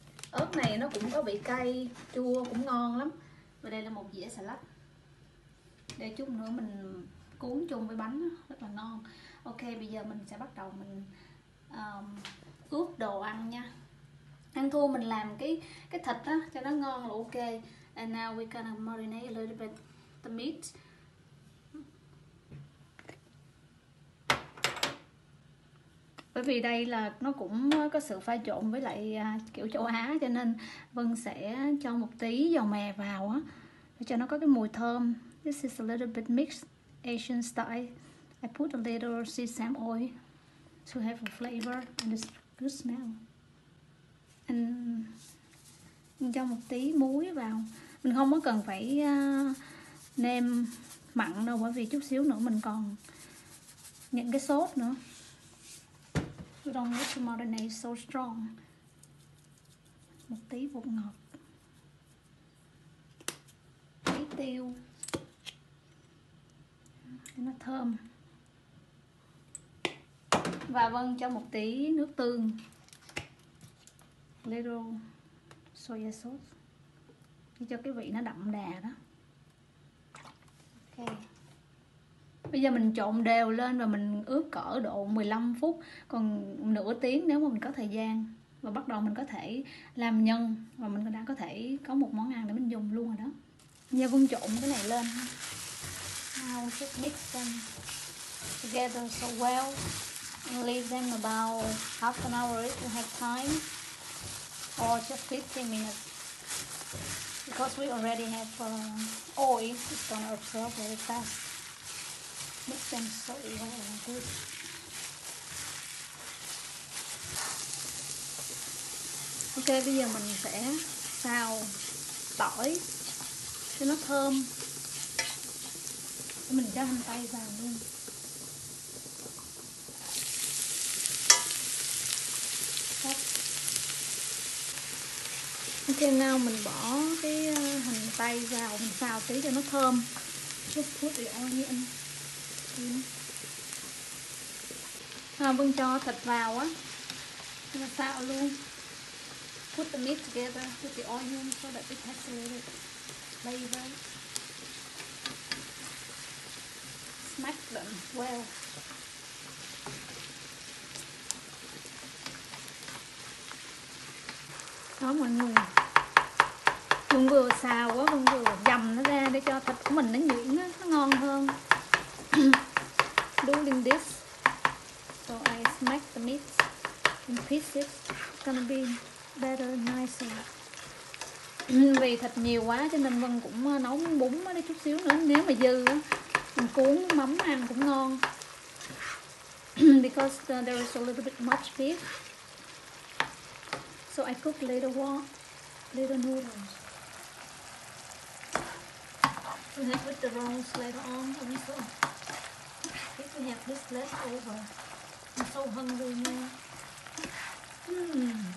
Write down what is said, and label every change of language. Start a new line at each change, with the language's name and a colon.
Vietnamese: Ớt này nó cũng có vị cay chua cũng ngon lắm. Và đây là một dĩa xà lách để chút nữa mình cuốn chung với bánh rất là ngon. Ok, bây giờ mình sẽ bắt đầu mình ướp đồ ăn nha. Ăn thua mình làm cái thịt á cho nó ngon là ok.
English: And now we're gonna marinate a little bit the meat.
Vietnamese: Bởi vì đây là nó cũng có sự pha trộn với lại kiểu châu Á cho nên Vân sẽ cho một tí dầu mè vào á để cho nó có cái mùi thơm.
English: This is a little bit mixed Asian style. I put a little sesame oil to have a flavor and a good smell.
Vietnamese: Mình cho một tí muối vào. Mình không có cần phải nêm mặn đâu, bởi vì chút xíu nữa mình còn những cái sốt nữa.
English: We don't need to marinate so strong.
Vietnamese: Một tí bột ngọt, tí tiêu cho nó thơm. Và Vân cho một tí nước tương,
English: little soya sauce
Vietnamese: để cho cái vị nó đậm đà đó. Ok, bây giờ mình trộn đều lên và mình ướp cỡ độ 15 phút, còn nửa tiếng nếu mà mình có thời gian, và bắt đầu mình có thể làm nhân và mình đã có thể có một món ăn để mình dùng luôn rồi đó. Giờ Vân trộn cái này lên.
English: Now just mix them together so well and leave them about half an hour if you have time. Or just 15 minutes because we already have oil, it's gonna absorb very fast. Mix them so well and good.
Vietnamese: Ok, bây giờ mình sẽ xào tỏi cho nó thơm. Mình cho hành tây vào luôn. Ok, nào mình bỏ cái hành tây vào, mình xào tí cho nó thơm.
English: Just put the onion in.
Vietnamese: À, mình cho thịt vào á, mình xào luôn.
English: Put the meat together, put the onion so that it has a little flavor. Smack them well.
Vietnamese: Đó mọi người, Hương vừa xào quá, hương vừa dầm nó ra để cho thịt của mình nó nhuyễn nó ngon hơn.
English: Doing this so I smack the meat in pieces gonna be better nicer.
Vietnamese: Vì thịt nhiều quá cho nên Vân cũng nấu bún đó chút xíu nữa, nếu mà dư mình cuốn mắm ăn cũng ngon.
English: Because there is a little bit much beef, so I cook little wok, little noodles. We'll have with the rolls later on also. If we have this left over, I'm so hungry now.